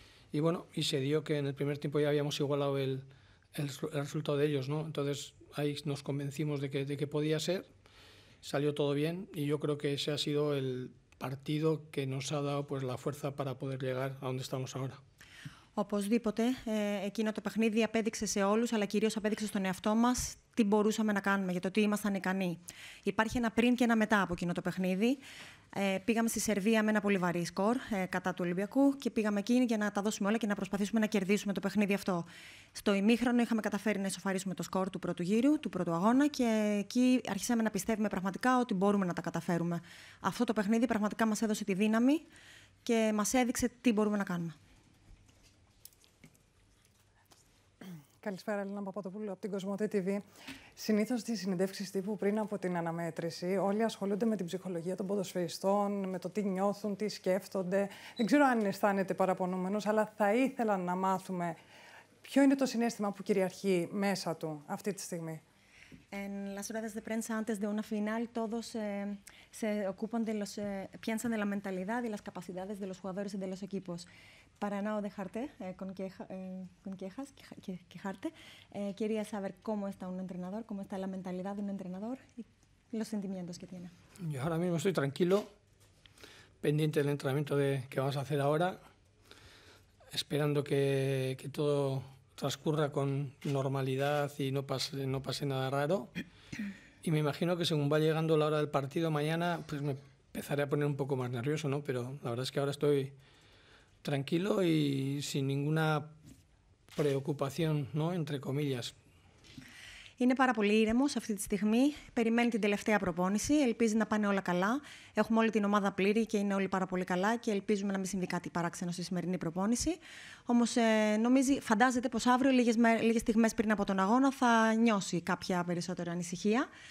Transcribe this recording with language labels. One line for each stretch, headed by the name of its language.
Spanish: Y bueno, y se dio que en el primer tiempo ya habíamos igualado el resultado de ellos, ¿no? Entonces ahí nos convencimos de que podía ser, salió todo bien y yo creo que ese ha sido el partido que nos ha dado pues, la fuerza para poder llegar a donde estamos ahora.
Greek: Οπωσδήποτε, εκείνο το παιχνίδι απέδειξε σε όλους, αλλά κυρίως απέδειξε στον εαυτό μας τι μπορούσαμε να κάνουμε, για το τι ήμασταν ικανοί. Υπάρχει ένα πριν και ένα μετά από εκείνο το παιχνίδι. Πήγαμε στη Σερβία με ένα πολύ βαρύ σκορ κατά του Ολυμπιακού και πήγαμε εκεί για να τα δώσουμε όλα και να προσπαθήσουμε να κερδίσουμε το παιχνίδι αυτό. Στο ημίχρονο είχαμε καταφέρει να ισοφαρίσουμε το σκορ του πρώτου γύρου, του πρώτου αγώνα και εκεί αρχίσαμε να πιστεύουμε πραγματικά ότι μπορούμε να τα καταφέρουμε. Αυτό το παιχνίδι πραγματικά μας έδωσε τη δύναμη και μας έδειξε τι μπορούμε να κάνουμε. Καλησπέρα, Ελένα Παπαδοπούλου από την Κοσμοτέ TV. Συνήθως στις συνεντεύξεις τύπου πριν από την αναμέτρηση, όλοι ασχολούνται με την ψυχολογία των ποδοσφαιριστών, με το τι νιώθουν, τι σκέφτονται. Δεν ξέρω αν αισθάνεται παραπονούμενος, αλλά θα ήθελα να μάθουμε ποιο είναι το συνέστημα που κυριαρχεί μέσα του αυτή τη στιγμή.
Spanish: En las ruedas de prensa antes de una final todos se ocupan de los piensan de la mentalidad y las capacidades de los jugadores y de los equipos. Para no dejarte con quejas, quejarte, quería saber cómo está un entrenador, cómo está la mentalidad de un entrenador y los sentimientos que tiene. Yo ahora mismo estoy tranquilo, pendiente del entrenamiento que vamos a hacer ahora, esperando que todo transcurra con normalidad y no pase nada raro. Y me imagino que según va llegando la hora del partido mañana, pues me empezaré a poner un poco más nervioso, ¿no? Pero la verdad es que ahora estoy tranquilo y sin ninguna preocupación, ¿no? Entre comillas.
Greek: Είναι πάρα πολύ ήρεμος αυτή τη στιγμή. Περιμένει την τελευταία προπόνηση. Ελπίζει να πάνε όλα καλά. Έχουμε όλη την ομάδα πλήρη και είναι όλοι πάρα πολύ καλά και ελπίζουμε να μην συμβεί κάτι παράξενο στη σημερινή προπόνηση. Όμως νομίζει, φαντάζεται πως αύριο, λίγες στιγμές πριν από τον αγώνα, θα νιώσει κάποια περισσότερη ανησυχία.